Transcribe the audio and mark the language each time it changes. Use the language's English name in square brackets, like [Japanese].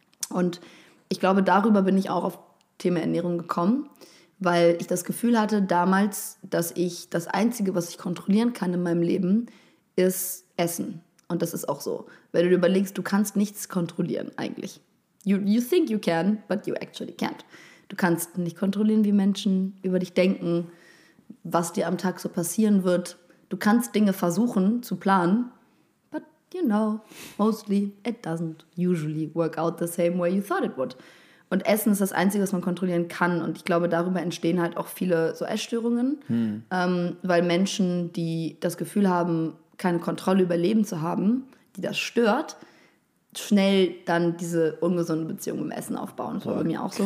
[German] Und ich glaube, darüber bin ich auch auf Thema Ernährung gekommen, weil ich das Gefühl hatte damals, dass ich das Einzige, was ich kontrollieren kann in meinem Leben, ist Essen. Und das ist auch so. Wenn du dir überlegst, du kannst nichts kontrollieren eigentlich. [English] You think you can, but you actually can't. [German] Du kannst nicht kontrollieren, wie Menschen über dich denken, was dir am Tag so passieren wird. Du kannst Dinge versuchen zu planen, [English] but you know, mostly it doesn't usually work out the same way you thought it would. [German] Und Essen ist das Einzige, was man kontrollieren kann. Und ich glaube, darüber entstehen halt auch viele so Essstörungen. Weil Menschen, die das Gefühl haben, keine Kontrolle über Leben zu haben, die das stört, schnell dann diese ungesunde Beziehung mit Essen aufbauen. Das war bei mir auch so.